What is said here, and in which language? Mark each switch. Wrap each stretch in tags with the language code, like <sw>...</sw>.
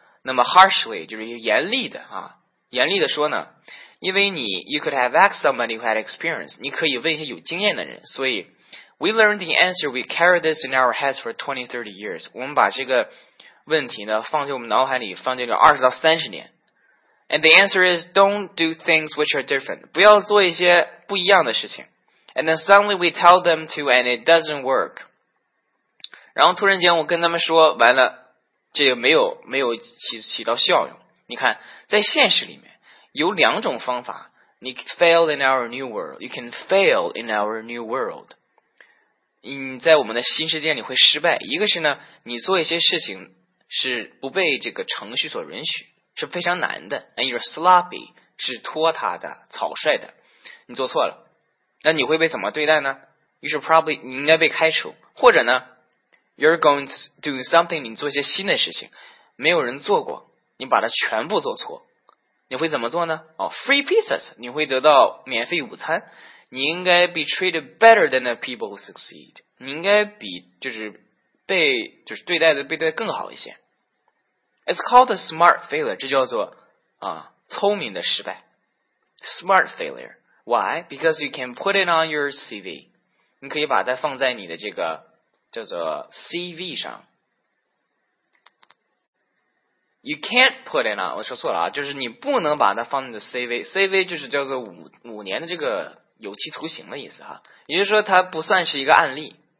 <zh>那么 harshly 就是严厉的啊，严厉的说呢，因为你</zh> <en>you could have asked somebody who had experience，</en> <zh>你可以问一些有经验的人，所以。</zh> <en>We learned the answer. We carry this in our heads for 20-30 years.</en> <zh>我们把这个问题呢放进我们脑海里，放进了20到30年。</zh> <en>And the answer is, don't do things which are different.</en> <zh>不要做一些不一样的事情。</zh> <en>And then suddenly we tell them to, and it doesn't work.</en> <zh>然后突然间我跟他们说，完了，这个没有起到效用。你看，在现实里面有两种方法。你</zh> <en>fail in our new world. You can fail in our new world.</en> <zh>你在我们的新世界里会失败，一个是呢，你做一些事情是不被这个程序所允许，是非常难的 ，</zh> <en>and you're sloppy，</en> <zh>是拖沓的、草率的，你做错了，那你会被怎么对待呢 ？</zh> <en>You should probably</en> <zh>你应该被开除，或者呢 ，</zh> <en>you're going to do something，</en> <zh>你做一些新的事情，没有人做过，你把它全部做错，你会怎么做呢？哦 ，</zh> <en>free pizzas，</en> <zh>你会得到免费午餐。你应该</zh> <en>be treated better than the people who succeed.</en> <zh>你应该比就是被就是对待的被对待更好一些。</zh> <en>It's called a smart failure.</en> <zh>这叫做啊聪明的失败。</zh> <en>Smart failure. Why? Because you can put it on your CV.</en> <zh>你可以把它放在你的这个叫做 CV 上。</zh> <en>You can't put it on.</en> <zh>我说错了啊，就是你不能把它放在你的 CV. CV 就是叫做五年的这个。有期徒刑的意思哈，也就是说它不算是一个案例。</zh>